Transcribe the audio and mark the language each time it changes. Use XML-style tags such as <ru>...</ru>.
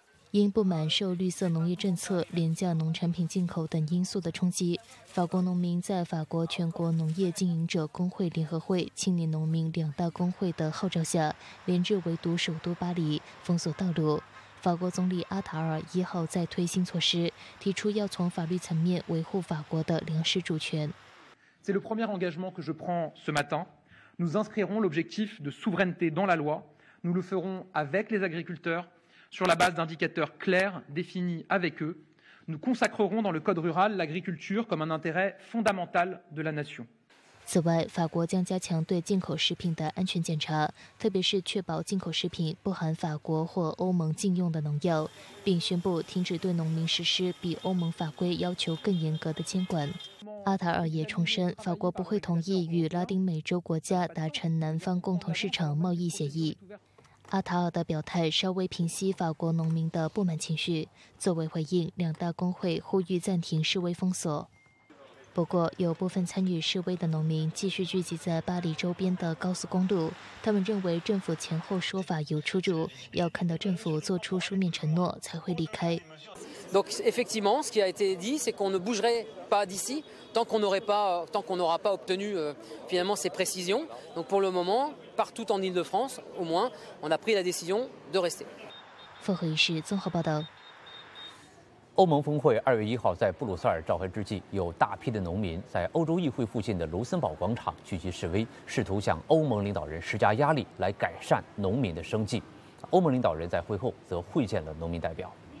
<zh>因不满受绿色农业政策、廉价农产品进口等因素的冲击，法国农民在法国全国农业经营者工会联合会、青年农民两大工会的号召下，连日围堵首都巴黎，封锁道路。法国总理阿塔尔一号再推新措施，提出要从法律层面维护法国的粮食主权。</zh> <fr>C'est le premier engagement que je prends ce matin. Nous inscrirons l'objectif de souveraineté dans la loi. Nous le ferons avec les agriculteurs. Sur la base d'indicateurs clairs définis avec eux, nous consacrerons dans le code rural l'agriculture comme un intérêt fondamental de la nation.</fr> <zh>此外，法国将加强对进口食品的安全检查，特别是确保进口食品不含法国或欧盟禁用的农药，并宣布停止对农民实施比欧盟法规要求更严格的监管。阿塔尔也重申，法国不会同意与拉丁美洲国家达成南方共同市场贸易协议。阿塔尔的表态稍微平息法国农民的不满情绪，作为回应，两大工会呼吁暂停示威封锁。不过，有部分参与示威的农民继续聚集在巴黎周边的高速公路，他们认为政府前后说法有出入，要看到政府做出书面承诺才会离开。</zh> <fr>Donc effectivement, ce qui a été dit, c'est qu'on ne bougerait pas d'ici tant qu'on n'aura pas obtenu finalement ces précisions. Donc pour le moment, partout en Île-de-France, au moins, on a pris la décision de rester.</fr> <zh>傅慧是综合报道。欧盟峰会二月一号在布鲁塞尔召开之际，有大批的农民在欧洲议会附近的卢森堡广场聚集示威，试图向欧盟领导人施加压力，来改善农民的生计。欧盟领导人在会后则会见了农民代表。</zh>